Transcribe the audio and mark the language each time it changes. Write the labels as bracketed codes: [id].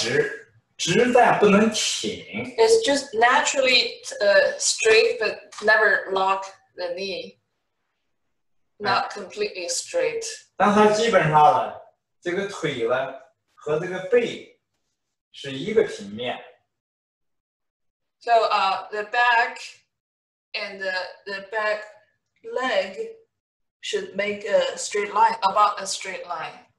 [zh] 承重是四分，但它是蹬，前腿的是撑，也不是完全直的吧？不是，就是说不能挺，基本上直，但不能挺。 [en] It's just naturally straight, but never lock the knee. Not completely straight. [zh] 但它基本上呢，这个腿呢和这个背是一个平面。 [en] So the back and the back leg should make a straight line, about a straight line.